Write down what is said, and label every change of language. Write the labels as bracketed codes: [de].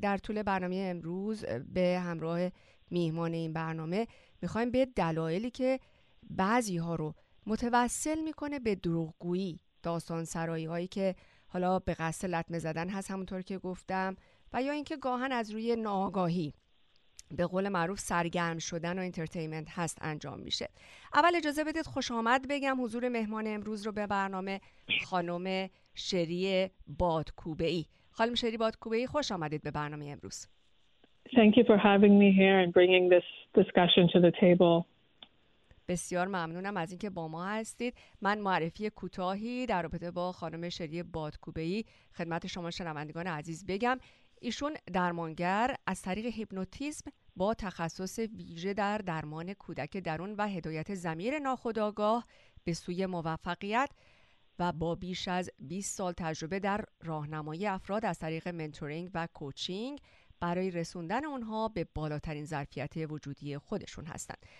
[fa] در طول برنامه امروز به همراه میهمان این برنامه می‌خوایم به دلایلی که بعضی‌ها رو متوسل می‌کنه به دروغگویی، داستان سرایی هایی که حالا به قصد لطمه زدن هست همونطور که گفتم، و یا اینکه گاهن از روی ناآگاهی به قول معروف سرگرم شدن و انترتینمنت هست انجام میشه. اول اجازه بدید خوش آمد بگم حضور مهمان امروز رو به برنامه، خانم شری بادکوبه‌ای. خانم شری بادکوبه‌ای خوش آمدید به برنامه امروز. [en] Thank you for having me here and bringing this discussion to the table. [fa] بسیار ممنونم از اینکه با ما هستید. من معرفی کوتاهی در رابطه با خانم شری بادکوبه‌ای خدمت شما شنوندگان عزیز بگم. ایشون درمانگر از طریق هیپنوتیزم با تخصص ویژه در درمان کودک درون و هدایت ضمیر ناخودآگاه به سوی موفقیت و با بیش از 20 سال تجربه در راهنمایی افراد از طریق منتورینگ و کوچینگ برای رسوندن اونها به بالاترین ظرفیت وجودی خودشون هستند.